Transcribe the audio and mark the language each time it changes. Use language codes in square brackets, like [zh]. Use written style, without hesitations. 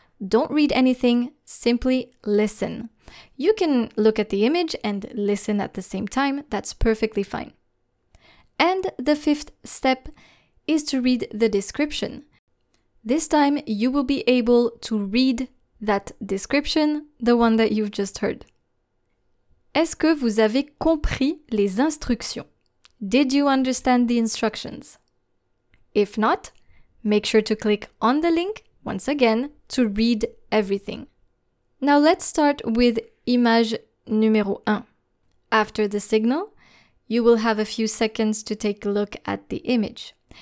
[en] Don't read anything, simply listen. You can look at the image and listen at the same time, that's perfectly fine. And the fifth step is to read the description. This time you will be able to read that description, the one that you've just heard. [fr] Est-ce que vous avez compris les instructions? [en] Did you understand the instructions? If not, make sure to click on the link once again to read everything. Now let's start with image numéro 1. After the signal, you will have a few seconds to take a look at the image.